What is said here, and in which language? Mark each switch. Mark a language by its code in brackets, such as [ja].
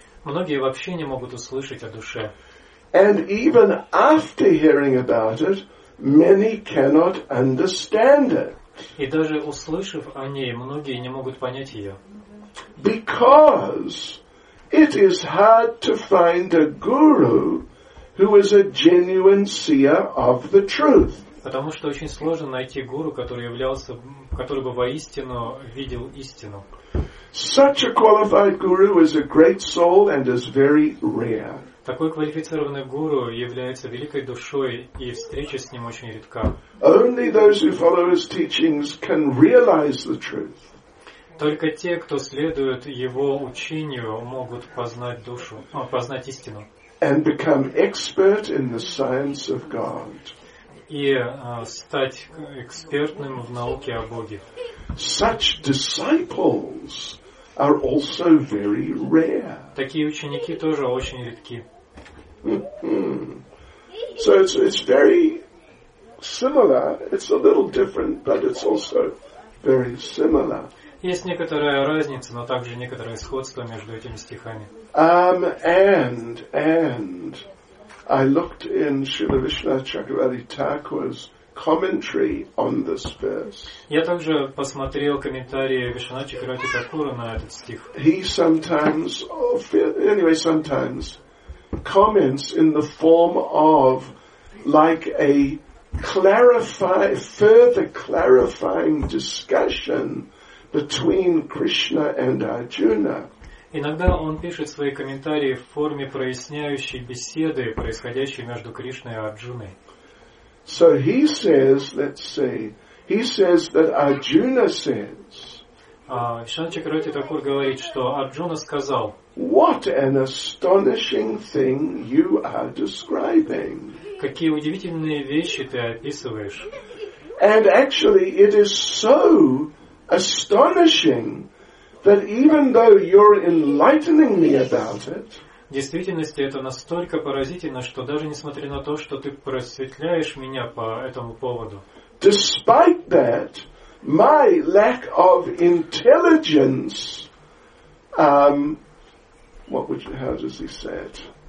[ru] Многие вообще не могут услышать о душе. [en] And even after hearing about it, many cannot understand it. [ru] И даже услышав о ней, многие не могут понять ее. [en] Because it is hard to find a guru who is a genuine seer of the truth. [ru] Потому что очень сложно найти гуру, который являлся, который бы воистину видел истину. [en] Such a qualified guru is a great soul and is very rare. [ru] Такой квалифицированный гуру является великой душой, и встреча с ним очень редка. [en] Only those who follow his teachings can realize the truth. [ru] Только те, кто следует его учению, могут познать душу, познать истину. [en] And become expert in the science of God. [ru] И стать экспертным в науке о Боге. [en] Such disciples are also very rare. [ru] Такие ученики тоже очень редки. [en] So it's very similar. It's a little different, but it's also very similar. [ru] Есть некоторая разница, но также некоторое сходство между этими стихами. [en] And I looked in Srila Vishnu Chakravarti Thakur's commentary on this verse. [ru] Я также посмотрел комментарии Вишна Чакравати Такура на этот стих. [en] He sometimes, anyway, sometimes. Comments in the form of like a further clarifying discussion between Krishna and Arjuna. [ru] Иногда он пишет свои комментарии в форме проясняющей беседы, происходящей между Кришной и Арджуной. [en] So he says, let's see, he says that Arjuna says, [ru] Шанти Чакравати Такур говорит, что Арджуна сказал, [en] what an astonishing thing you are describing. [ru] Какие удивительные вещи ты описываешь. [en] And actually it is so astonishing that even though you're enlightening me about it, [ru] в действительности это настолько поразительно, что даже несмотря на то, что ты просветляешь меня по этому поводу, [en] despite that, my lack of intelligence, how does he say it?